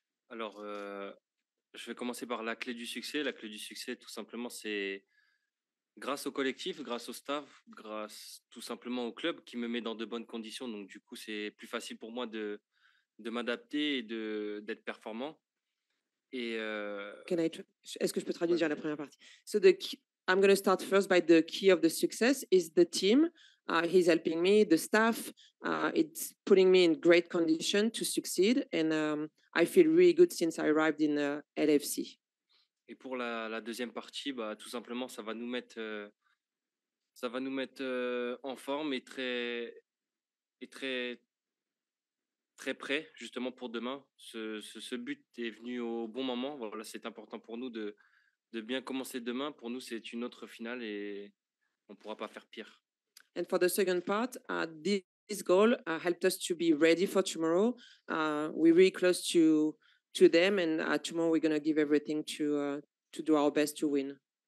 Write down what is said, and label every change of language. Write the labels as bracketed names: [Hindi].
[French] Alors, je vais commencer par la clé du succès. La clé du succès, tout simplement, c'est grâce au collectif, grâce au staff, grâce tout simplement au club qui me met dans de bonnes conditions. Donc, du coup, c'est plus facile pour moi de m'adapter et d'être performant. Et est-ce que je peux traduire la première partie? [English] So the key, I'm going to start first by the key of the success is the team. He's helping me, the staff. It's putting me in great condition to succeed. And I feel really good since I arrived in LFC. [French] Et pour la deuxième partie, bah, tout simplement, ça va nous mettre en forme et très prêt justement pour demain. Ce but est venu au bon moment. Voilà, c'est important pour nous de bien commencer demain. Pour nous, c'est une autre finale et on ne pourra pas faire pire. [English] And for the second part, this goal helped us to be ready for tomorrow. We're really close to them, and tomorrow we're gonna give everything to do our best to win.